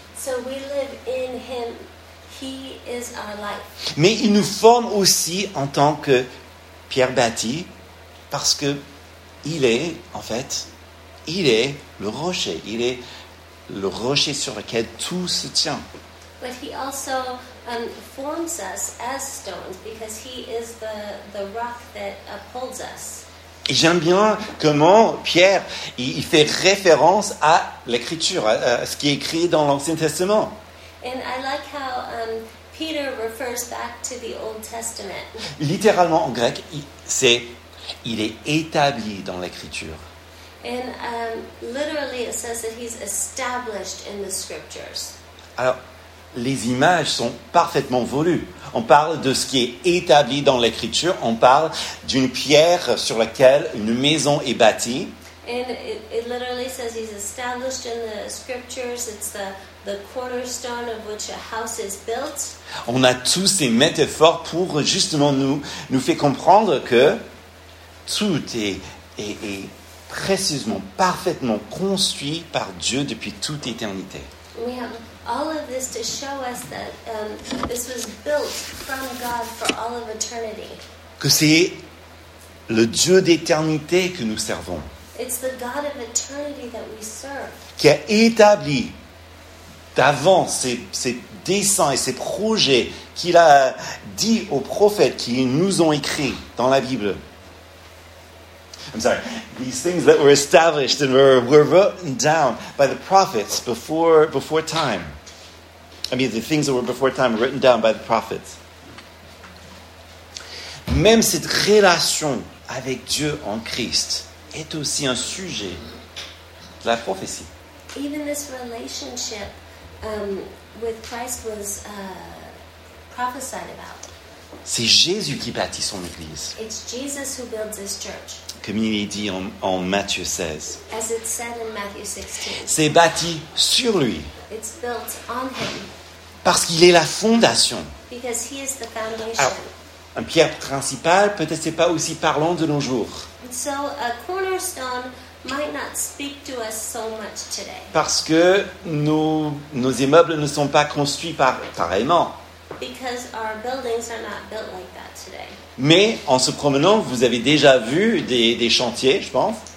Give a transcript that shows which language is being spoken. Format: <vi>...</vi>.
<en>So we live in him. He is our life.</en> <fr>Mais il nous forme aussi en tant que pierre bâtie, parce que il est, en fait, il est le rocher. Il est le rocher sur lequel tout se tient.</fr> <en>But he also forms us as stones, because he is the rock that upholds us.</en> <fr>Et j'aime bien comment Pierre, il fait référence à l'Écriture, à ce qui est écrit dans l'Ancien Testament.</fr> <en>And I like how Peter refers back to the Old Testament.</en> <fr>Littéralement, en grec, c'est « il est établi dans l'Écriture ».</fr> <en>And literally, it says that he's established in the Scriptures.</en> <fr>Alors, les images sont parfaitement voulues. On parle de ce qui est établi dans l'Écriture. On parle d'une pierre sur laquelle une maison est bâtie.</fr> <en>And it literally says he's established in the Scriptures. It's the cornerstone of which a house is built.</en> <fr>On a tous ces métaphores pour justement nous faire comprendre que tout est précisément, parfaitement construit par Dieu depuis toute éternité.</fr> <en>All of this to show us that this was built from God for all of eternity.</en> <fr>Que c'est le Dieu d'éternité que nous servons.</fr> <en>It's the God of eternity that we serve.</en> <fr>Qui a établi d'avance ses desseins et ses projets qu'il a dit aux prophètes qui nous ont écrits dans la Bible.</fr> <en>I'm sorry. These things that were established and were written down by the prophets before time. I mean, the things that were before time written down by the prophets.</en> <fr>Même cette relation avec Dieu en Christ est aussi un sujet de la prophétie.</fr> <en>Even this relationship with Christ was prophesied about.</en> <fr>C'est Jésus qui bâtit son Église.</fr> <en>It's Jesus who builds his church.</en> <fr>Comme il est dit en Matthieu 16.</fr> <en>As it's said in Matthew 16.</en> <fr>C'est bâti sur lui.</fr> <en>It's built on him.</en> <fr>Parce qu'il est la fondation.</fr> <en>Because he is the foundation.</en> <fr>Alors, un pierre principal, peut-être c'est pas aussi parlant de nos jours.</fr> <en>So, a cornerstone might not speak to us so much today.</en> <fr>Parce que nos immeubles ne sont pas construits pareillement.</fr> <en>Because our buildings are not built like that today.</en> <fr>Mais en se promenant, vous avez déjà vu des chantiers, je pense.</fr>